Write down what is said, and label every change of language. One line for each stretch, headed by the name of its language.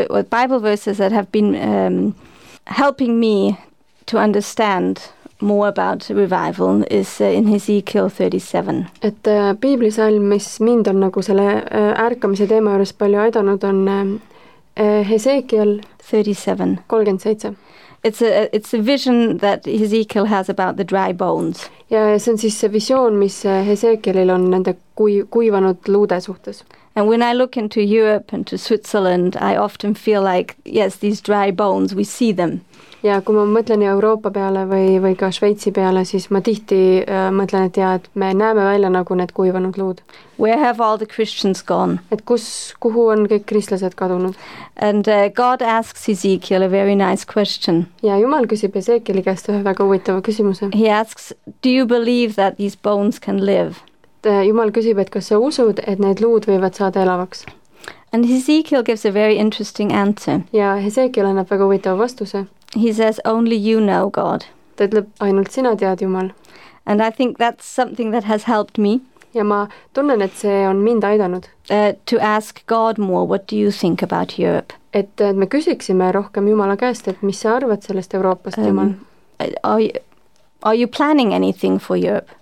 English: Bible verses that have been helping me to understand more about revival is in Ezekiel 37.
Estonian: Et Biibli salm, mis mind on nagu selle ärkamise teema juures palju aidanud, on Ezekiel 37.
English: It's a vision that Ezekiel has about the dry bones.
Estonian: Ja see on siis see visioon, mis Ezekielil on nende kuivanud luude suhtes.
English: And when I look into Europe and to Switzerland, I often feel like, yes, these dry bones, we see them.
Estonian: Ja kui ma mõtlen Euroopa peale või ka Šveitsi peale, siis ma tihti mõtlen, et jah, et me näeme välja nagu need kuivanud luud.
English: Where have all the Christians gone?
Estonian: Et kuhu on kõik kristlased kadunud?
English: And God asks Ezekiel a very nice question.
Estonian: Ja Jumal küsib Ezekieli käest ühe väga huvitava küsimuse.
English: He asks, do you believe that these bones can live?
Estonian: Jumal küsib, et kas sa usud, et need luud võivad saada elavaks?
English: And Ezekiel gives a very interesting answer.
Estonian: Ja Ezekiel annab väga huvitava vastuse.
English: He says, only you know God.
Estonian: Ta ütleb, ainult sina tead Jumal.
English: And I think that's something that has helped me.
Estonian: Ja ma tunnen, et see on mind aidanud.
English: To ask God more, what do you think about Europe?
Estonian: Et me küsiksime rohkem Jumala käest, et mis sa arvad sellest Euroopast, Jumal?
English: Are you planning anything for Europe?